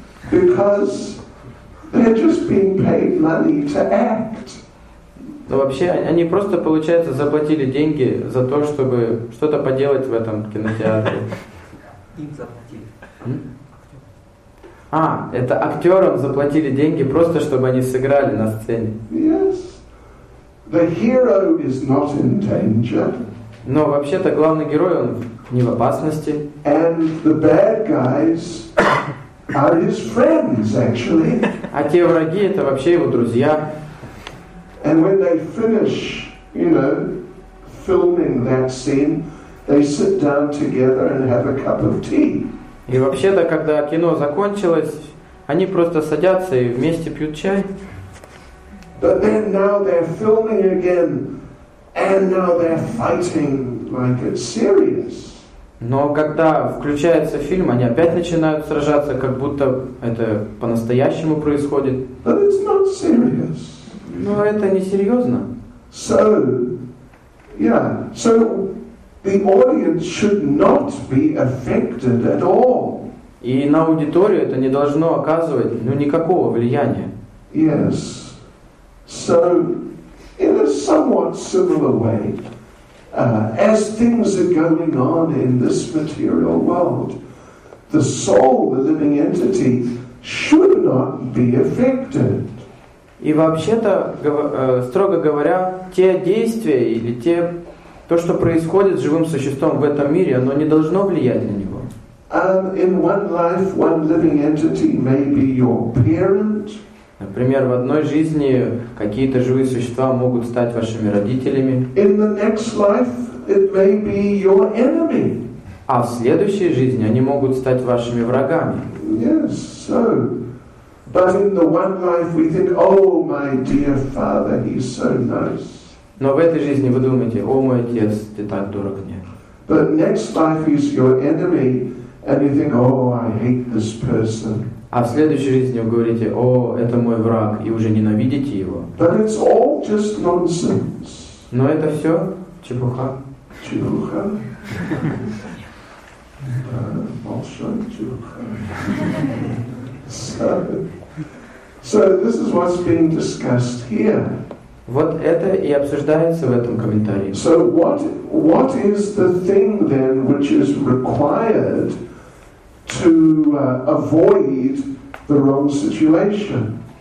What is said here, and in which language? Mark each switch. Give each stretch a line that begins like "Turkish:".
English: Because they're just being paid money to act.
Russian: Но вообще, они просто, получается, заплатили деньги за то, чтобы что-то поделать в этом кинотеатре. Им заплатили. А, это актерам заплатили деньги просто, чтобы они сыграли на сцене.
English: Yes. The hero is not in danger.
Russian: Но вообще-то главный герой, он не в опасности.
English: And the bad guys are his friends, actually.
Russian: А те враги, это вообще его друзья.
English: And when they finish, you know, filming that scene, they sit down together and have a cup of tea.
Russian: И вообще-то, когда кино закончилось, они просто садятся и вместе пьют чай.
English: But then now they're filming again, and now they're fighting like it's serious.
Russian: Но когда включается фильм, они опять начинают сражаться, как будто это по-настоящему происходит.
English: But it's not serious.
Russian: Но это не серьезно.
English: So, yeah, so the audience should not be affected at all.
Russian: И на аудиторию это не должно оказывать, ну, никакого влияния.
English: Yes. So, in a somewhat similar way, as things are going on in this material world, the soul, the living entity, should not be affected.
Russian: И вообще-то, строго говоря, те действия или те, то, что происходит с живым существом в этом мире, оно не должно влиять на него.
English: In one life, one living entity may be your parent.
Russian: Например, в одной жизни какие-то живые существа могут стать вашими родителями.
English: In the next life, it may be your enemy.
Russian: А в следующей жизни они могут стать вашими врагами.
English: Yes, so. But in the one life we think, oh, my dear father, he's so nice.
Russian: Но в этой жизни вы думаете, о мой отец, ты так дорог мне.
English: But next life he's your enemy, and you think, oh, I hate this person.
Russian: А в следующей жизни вы говорите, о, это мой враг, и уже ненавидите его.
English: But it's all just nonsense.
Russian: Но это все чепуха. Чепуха. Большая чепуха.
English: So, this is what's being discussed here.
Russian: Вот это и обсуждается в этом комментарии.
English: So, what is the thing then which is required to avoid the wrong situation?